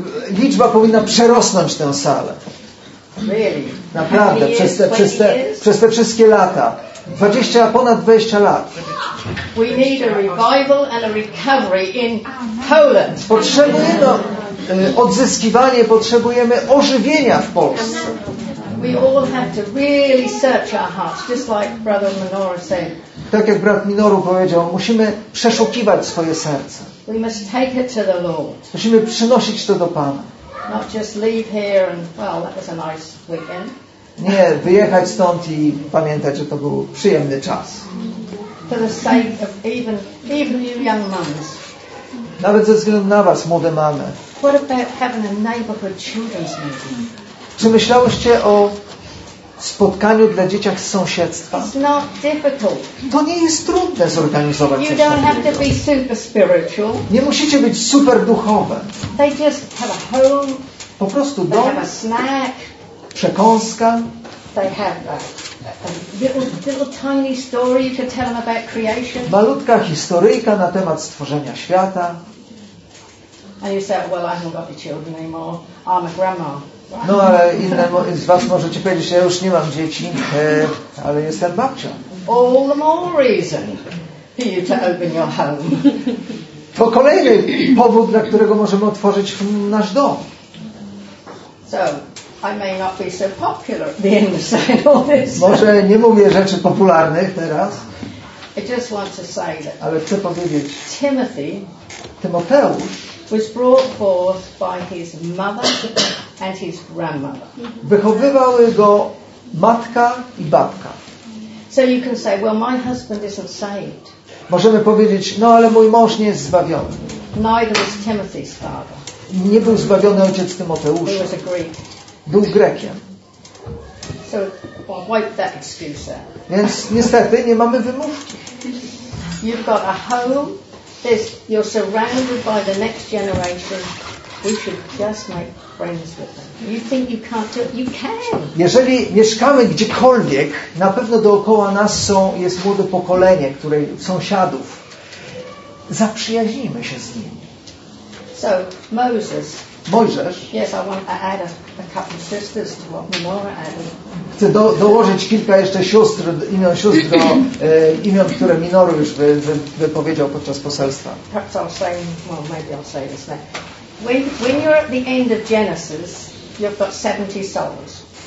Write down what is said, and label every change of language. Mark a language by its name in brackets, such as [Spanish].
[Polish] Liczba powinna przerosnąć tę salę. [English] Really? [Polish] Naprawdę, przez te wszystkie lata. Ponad 20 lat. [English] We need a revival and a recovery in Poland. [Polish] Potrzebujemy odzyskiwanie, potrzebujemy ożywienia w Polsce. [English] We all have to really search our hearts, just like Brother Minoru said. [Polish] Tak jak brat Minoru powiedział, musimy przeszukiwać swoje serce. [English] We must take it to the Lord. [Polish] Musimy przynosić to do Pana. [English] Not just leave here and, well, that was a nice weekend. [Polish] Nie, wyjechać stąd i pamiętać, że to był przyjemny czas. [English] For the sake of even you young mums. [Polish] Nawet ze względu na was, młode mamy. [English] What about having a neighborhood children's meeting? [Polish] Czy myślałyście o spotkaniu dla dzieci z sąsiedztwa? [English] It's not difficult. [Polish] To nie jest trudne zorganizować. [English] You don't have to be super spiritual. [Polish] Nie musicie być super duchowe. [English] They just have a home. [Polish] Po prostu dom. [English] They have a snack. [Polish] Przekąska. [English] They have a little tiny story you could tell them about creation. [Polish] Malutka historyjka na temat stworzenia świata. [English] And you say, well, I haven't got the children anymore. I'm a grandma. [Polish] No, ale inne z was możecie powiedzieć, że ja już nie mam dzieci, ale jestem babcią. [English] All the more reason for you to open your home. [Polish] To kolejny powód, dla którego możemy otworzyć nasz dom. [English] So, I may not be so popular at the inside of this. [Polish] Może nie mówię rzeczy popularnych teraz. [English] I just want to say that. [Polish] Ale chcę powiedzieć. [English] Tymoteusz was brought forth by his mother and his grandmother. [Polish] Wychowywały go matka i babka. [English] So you can say, well, my husband isn't saved. [Polish] Możemy powiedzieć, no ale mój mąż nie jest zbawiony. [English] Neither was Timothy's father. [Polish] Nie był zbawiony ojciec Tymoteusza. [English] He was a Greek. [Polish] Był Grekiem. [English] So, well, wipe that excuse out. [Polish] Więc niestety nie mamy wymówki. [English] You've got a home. This, you're surrounded by the next generation. You should just make friends with them. You think you can't do it? You can. [Polish] Jeżeli mieszkamy gdziekolwiek, na pewno dookoła nas jest młode pokolenie, które sąsiadów. Zaprzyjaźnijmy się z nimi. [English] So, Moses. [Polish] Mojżesz. [English] Yes, I want to add a couple of sisters to what Minora added. [Polish] Chcę dołożyć kilka jeszcze sióstr, imion sióstr do imion, które Minoru już wypowiedział podczas poselstwa. [English] Perhaps I'll say, well, maybe I'll say this now. When you're at the end of Genesis, you've got 70 souls.